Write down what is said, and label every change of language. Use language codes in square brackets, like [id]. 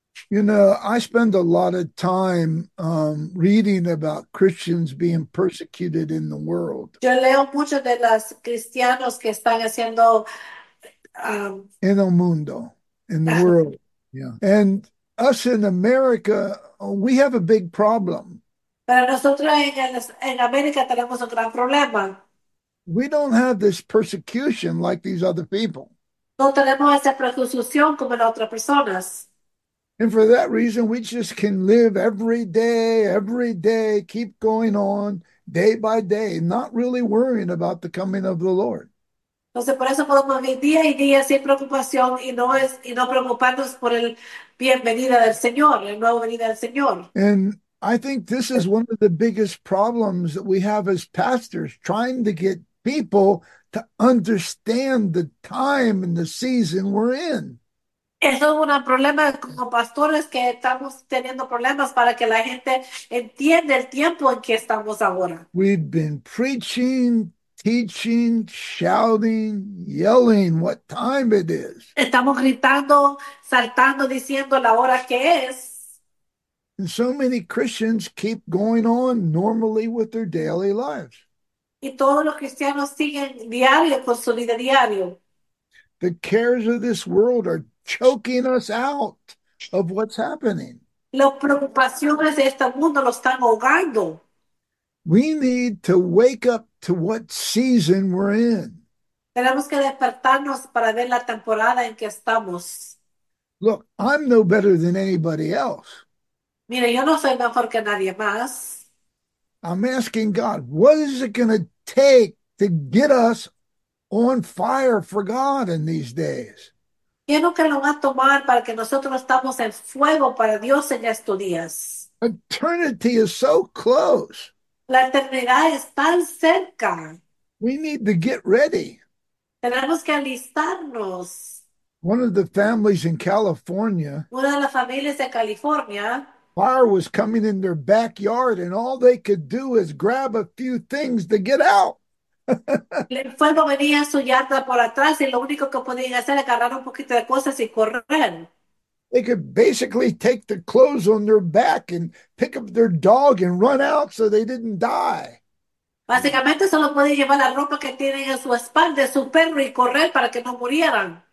[en] You know, I spend a lot of time reading about Christians being persecuted in the world. [es] Yo leo mucho de los cristianos que están haciendo En el mundo, [en] in the world. Yeah. And us in America, we have a big problem. [es] Para nosotros en América tenemos un gran problema. [en] We don't have this persecution like these other people. [es] No tenemos esa persecución como en otras personas. [en] And for that reason, we just can live every day, keep going on, day by day, not really worrying about the coming of the Lord. [es] Entonces, por eso podemos vivir día y día sin preocupación y no preocuparnos por el bienvenida del Señor, el nuevo venida del Señor. [en] I think this is one of the biggest problems that we have as pastors, trying to get people to understand the time and the season we're in. [es] Eso es un problema como pastores que estamos teniendo problemas para que la gente entienda el tiempo en que estamos ahora. [en] We've been preaching, teaching, shouting, yelling what time it is. [es] Estamos gritando, saltando, diciendo la hora que es. [en] And so many Christians keep going on normally with their daily lives. [es] Y todos los cristianos siguen diario con su vida diario. [en] The cares of this world are choking us out of what's happening. [es] Las preocupaciones de este mundo lo están ahogando. [en] We need to wake up to what season we're in. [es] Tenemos que despertarnos para ver la temporada en que estamos. [en] Look, I'm no better than anybody else. [es] Mira, yo no soy mejor que nadie más. [en] I'm asking God, what is it going to take to get us on fire for God in these days? [es] Quiero que lo va a tomar para que nosotros estamos en fuego para Dios en estos días. [en] Eternity is so close. [es] La eternidad es tan cerca. [en] We need to get ready. [es] Tenemos que alistarnos. [en] One of the families in California, [es] Una de las familias de California. [en] fire was coming in their backyard, and all they could do is grab a few things to get out. [es] El fuego venía a su yarda por atrás y lo único que podían hacer era agarrar un poquito de cosas y correr. [en] They could basically take the clothes on their back and pick up their dog and run out so they didn't die. [es] Básicamente solo podían llevar la ropa que tienen en su espalda, su perro y correr para que no murieran.